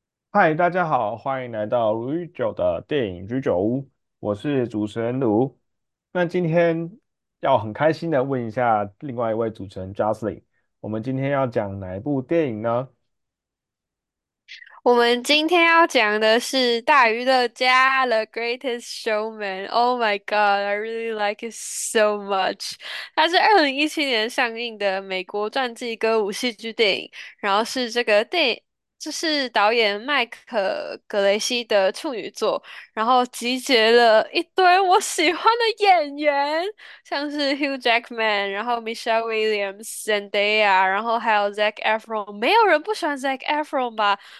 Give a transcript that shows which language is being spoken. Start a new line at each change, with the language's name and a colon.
Chinese: 嗨，大家好，欢迎来到卢与酒的电影居酒屋，我是主持人卢。那今天要很开心的问一下另外一位主持人 Jocelyn， 我们今天要讲哪一部电影呢？我们今天要讲的是《大娱乐家》The Greatest Showman。
English: Oh my God, I really like it so much。
Chinese: 它是2017年上映的美国传记歌舞戏剧电影，然后是这个电影，这是导演麦克格雷西的处女作，然后集结了一堆我喜欢的演员，像是 Hugh Jackman，然后 Michelle Williams、Zendaya，然后还有 Zac Efron，没有人不喜欢 Zac Efron 吧？